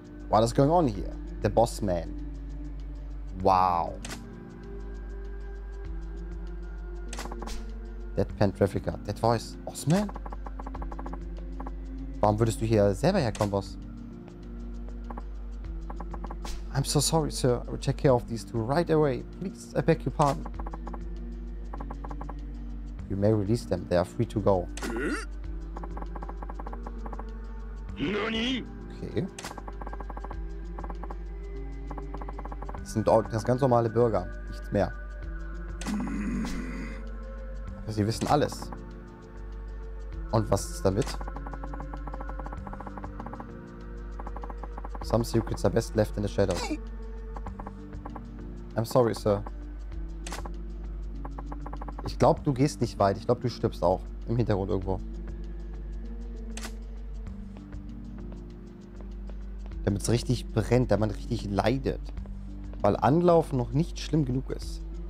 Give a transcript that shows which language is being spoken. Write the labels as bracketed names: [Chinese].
[English] What is going on here? The boss man. Wow. Deadpan Trafficker. Dead voice. Boss man? [German] Warum würdest du hier selber herkommen, Boss? [English] I'm so sorry, sir. I will take care of these two right away. Please, I beg your pardon. You may release them. They are free to go. [Japanese] Nani? [English] Okay. [German] Das sind das ganz normale Bürger. Nichts mehr. Aber sie wissen alles. Und was ist damit? [English] Some secrets are best left in the shadows. I'm sorry, sir. [German] Ich glaube, du gehst nicht weit. Ich glaube, du stirbst auch. Im Hintergrund irgendwo. Damit es richtig brennt, damit man richtig leidet. Weil Anlauf noch nicht schlimm genug ist.